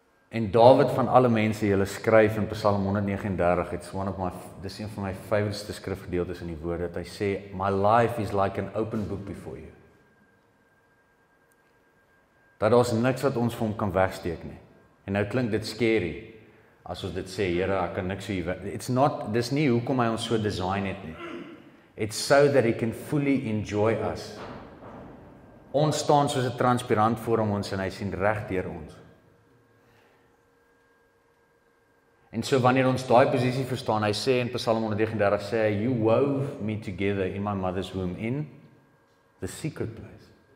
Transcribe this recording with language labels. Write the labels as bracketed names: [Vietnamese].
[Afrikaans] En David van alle mense, jy skryf in Psalm 139, [English] it's one of my, [Afrikaans] dis een van my favorite skrifgedeeltes in die woord, dat hy sê, [English] my life is like an open book before you. [Afrikaans] Dat daar is niks wat ons vir hom kan wegsteek nie. En nou klink dit scary, as ons dit sê, Here, ek kan niks vir jou weg, [English] it's not, [Afrikaans] dis nie hoekom hy ons so design het nie. [English] It's so that he can fully enjoy us. [Afrikaans] Ons staan soos 'n transparant voor ons en hy sien reg deur ons. En so wanneer ons daai posisie verstaan, hy sê in Psalm 139, sê hy, [English] you wove me together in my mother's womb in the secret place.